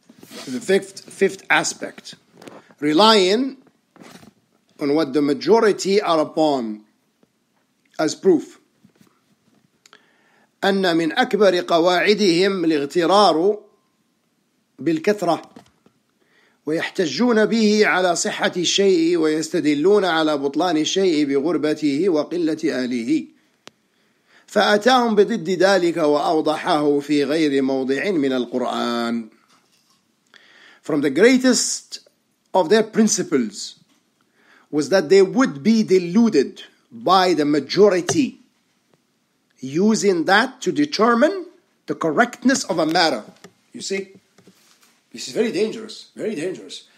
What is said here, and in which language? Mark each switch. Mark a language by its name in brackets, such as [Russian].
[English] The fifth aspect, relying on what the majority are upon as proof. [Arabic] أن من أكبر قواعدهم الاغترار بالكثرة ويحتجون به على صحة الشيء ويستدلون على بطلان الشيء بغربته وقلة أهله فأتاهم بضد ذلك وأوضحه في غير موضع من القرآن. [English] From the greatest of their principles was that they would be deluded by the majority using that to determine the correctness of a matter. You see? This is very dangerous. Very dangerous.